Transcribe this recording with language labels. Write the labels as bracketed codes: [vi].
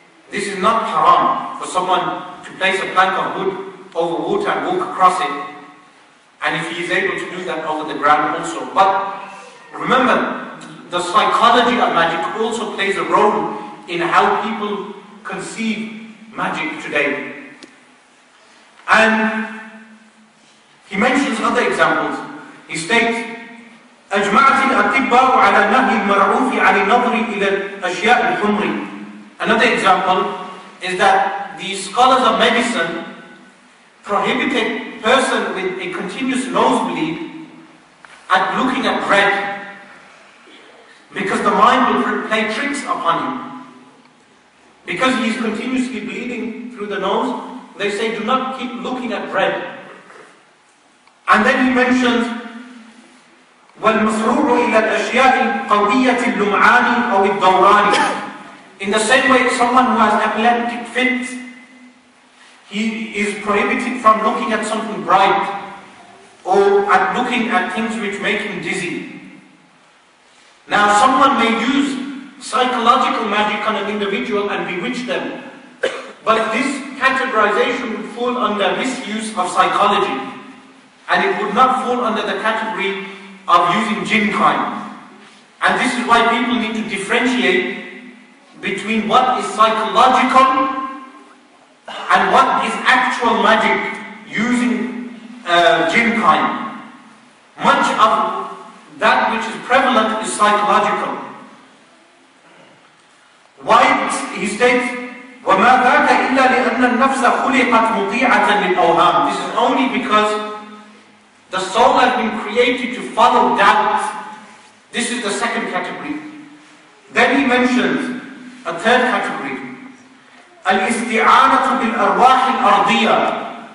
[en] This is not haram for someone to place a plank of wood over water and walk across it. And if he is able to do that over the ground also. But remember, the psychology of magic also plays a role in how people conceive magic today. And he mentions other examples. He states, [ar] أجمعت الأطباء على نهي المرعوف عن النظر إلى الأشياء الحمر. [en] Another example is that the scholars of medicine prohibited a person with a continuous nosebleed at looking at red, because the mind will play tricks upon him. Because he is continuously bleeding through the nose, they say do not keep looking at red. And then he mentions, [ar] والمسرور إلى الأشياء القوية اللمعان أو الدوران. [en] In the same way, someone who has epileptic fits, he is prohibited from looking at something bright or at looking at things which make him dizzy. Now, someone may use psychological magic on an individual and bewitch them, but this categorization would fall under misuse of psychology, and it would not fall under the category of using jinn kind. And this is why people need to differentiate between what is psychological and what is actual magic using jinn kind. Much of that which is prevalent is psychological. Why he states, [ar] وَمَا ذَاكَ إِلَّا لِأَنَّ النَّفْسَ خُلِقَتْ مُطِيعَةً لِلْأَوْهَامِ. [en] This is only because the soul has been created to follow doubt. This is the second category. Then he mentions a third category. [ar] الْإِسْتِعَانَةُ بِالْأَرْوَاحِ الْأَرْضِيَةِ.